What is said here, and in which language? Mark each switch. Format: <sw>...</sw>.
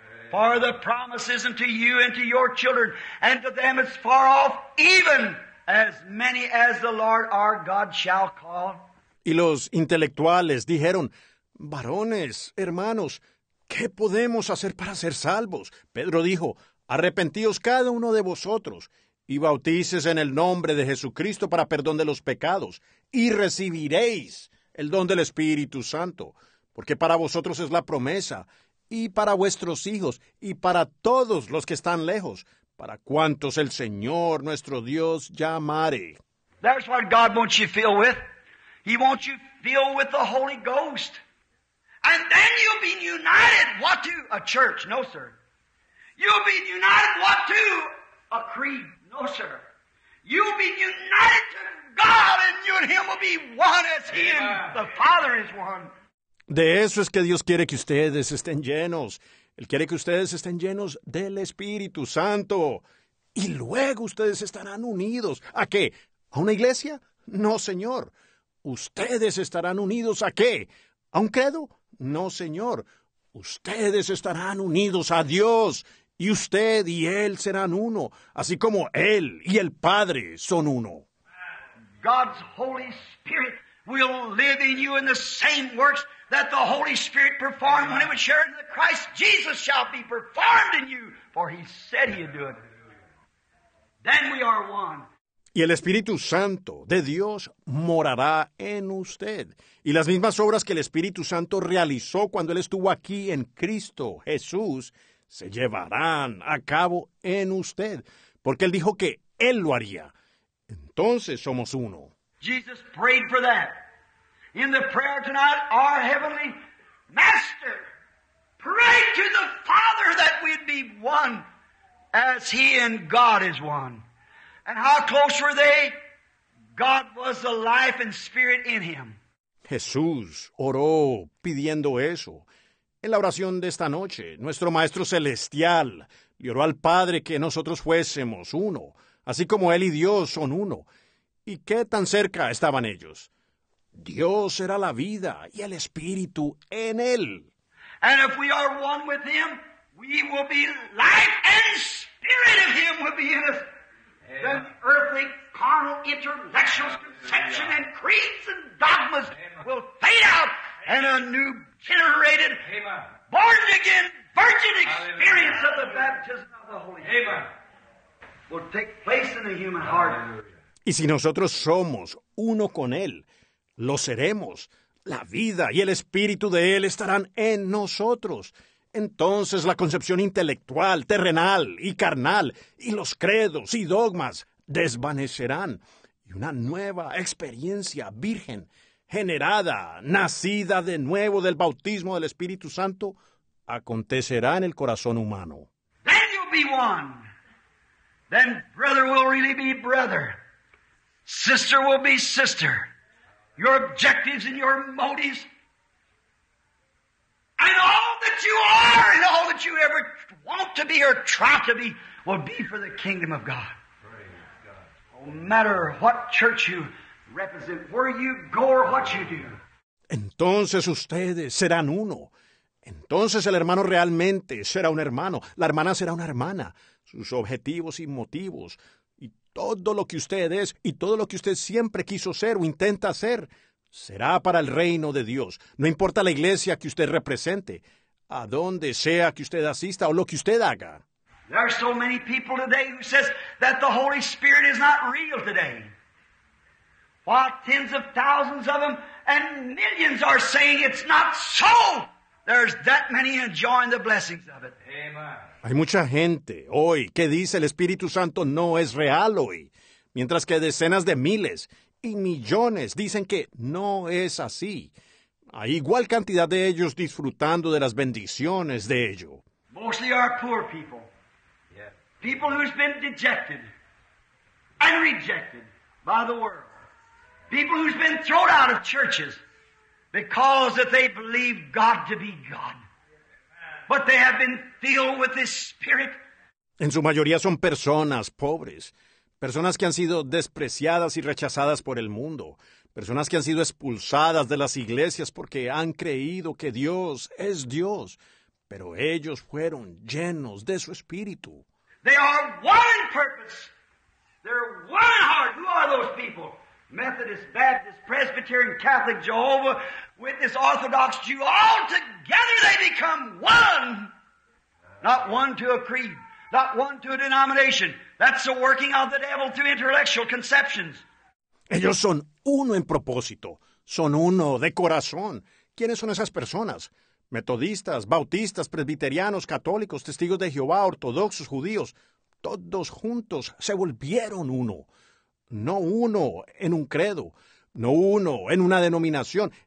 <en>For the promise is unto you and to your children, and to them as far off, even as many as the Lord our God shall call.</en> <es>Y los intelectuales dijeron, varones, hermanos, ¿Qué podemos hacer para ser salvos? Pedro dijo, arrepentíos cada uno de vosotros y bautícese en el nombre de Jesucristo para perdón de los pecados y recibiréis el don del Espíritu Santo, porque para vosotros es la promesa y para vuestros hijos y para todos los que están lejos, para cuantos el Señor nuestro Dios llamare.</es> <en>That's what God wants you to feel with. He wants you to feel with the Holy Ghost. And then you'll be united, what to? A church, no sir. You'll be united, what to? A creed, no sir. You'll be united to God, and you and Him will be one as He and the Father is one.</en> <es>De eso es que Dios quiere que ustedes estén llenos. Él quiere que ustedes estén llenos del Espíritu Santo. Y luego ustedes estarán unidos. ¿A qué? ¿A una iglesia? No, señor. ¿Ustedes estarán unidos a qué? ¿A un credo? No, señor. Ustedes estarán unidos a Dios, y usted y Él serán uno, así como Él y el Padre son uno.</es> <en>God's Holy Spirit will live in you in the same works that the Holy Spirit performed when it was shared in the Christ. Jesus shall be performed in you, for He said He'd do it. Then we are one.</en> <es>Y el Espíritu Santo de Dios morará en usted. Y las mismas obras que el Espíritu Santo realizó cuando Él estuvo aquí en Cristo Jesús, se llevarán a cabo en usted. Porque Él dijo que Él lo haría. Entonces somos uno.</es> <en>Jesus prayed for that. In the prayer tonight, our heavenly Master prayed to the Father that we'd be one as He and God is one. And how close were they? God was the life and spirit in him.</en> <es>Jesús oró pidiendo eso. En la oración de esta noche, nuestro Maestro Celestial le oró al Padre que nosotros fuésemos uno, así como Él y Dios son uno. ¿Y qué tan cerca estaban ellos? Dios era la vida y el Espíritu en Él.</es> <en>And if we are one with Him, we will be life and spirit of Him will be in us. The earthly, carnal, intellectual conception and creeds and dogmas will fade out, and a new generated, born again, virgin experience of the baptism of the Holy Spirit will take place in the human heart.</en> <es>Y si nosotros somos uno con Él, lo seremos. La vida y el Espíritu de Él estarán en nosotros. Entonces la concepción intelectual, terrenal y carnal, y los credos y dogmas desvanecerán, y una nueva experiencia virgen, generada, nacida de nuevo del bautismo del Espíritu Santo, acontecerá en el corazón humano.</es> <en>Then you'll be one. Then brother will really be brother. Sister will be sister. Your objectives and your motives. And all that you are and all that you ever want to be or try to be will be for the kingdom of God. Praise God. No matter what church you represent, where you go or what you do.</en> <es>Entonces ustedes serán uno. Entonces el hermano realmente será un hermano. La hermana será una hermana. Sus objetivos y motivos y todo lo que usted es y todo lo que usted siempre quiso ser o intenta ser será para el reino de Dios, no importa la iglesia que usted represente, a donde sea que usted asista o lo que usted haga.</es> <en>There are so many people today who says that the Holy Spirit is not real today. While tens of thousands of them and millions are saying it's not so, there's that many enjoying the blessings of it. Amen.</en> <es>Hay mucha gente hoy que dice el Espíritu Santo no es real hoy, mientras que decenas de miles y millones dicen que no es así. Hay igual cantidad de ellos disfrutando de las bendiciones de ello.</es> <en>Mostly are poor people. Yeah. People who's been dejected and rejected by the world. People who's been thrown out of churches because that they believe God to be God. But they have been filled with this Spirit.</en> <es>En su mayoría son personas pobres. Personas que han sido despreciadas y rechazadas por el mundo. Personas que han sido expulsadas de las iglesias porque han creído que Dios es Dios. Pero ellos fueron llenos de su Espíritu.</es> <en>They are one in purpose. They're one in heart. Who are those people? Methodist, Baptist, Presbyterian, Catholic, Jehovah, Witness, Orthodox, Jew, all together they become one. Not one to a creed, not one to a denomination. That's the working of the devil through intellectual conceptions.</en> <es>Ellos son uno en propósito, son uno de corazón. ¿Quiénes son esas personas? Metodistas, bautistas, presbiterianos, católicos, testigos de Jehová, ortodoxos, judíos. Todos juntos se volvieron uno. No uno en un credo, no uno en una denominación.</es>